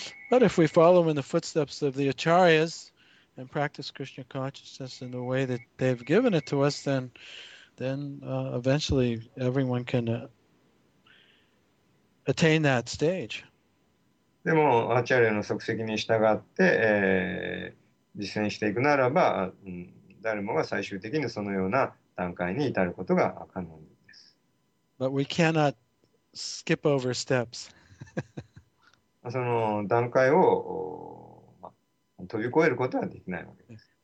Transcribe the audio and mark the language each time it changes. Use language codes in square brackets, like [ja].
[en] But if we follow in the footsteps of the Acharyas and practice Krishna consciousness in the way that they've given it to us, then eventually everyone can attain that stage. [ja] でも、アチャリアの足跡に従って、実践していくならば、誰もが最終的にそのような段階に至ることが可能です。 [en] But we cannot skip over steps. [ja] その段階を、まあ、飛び越えることはできないわけです。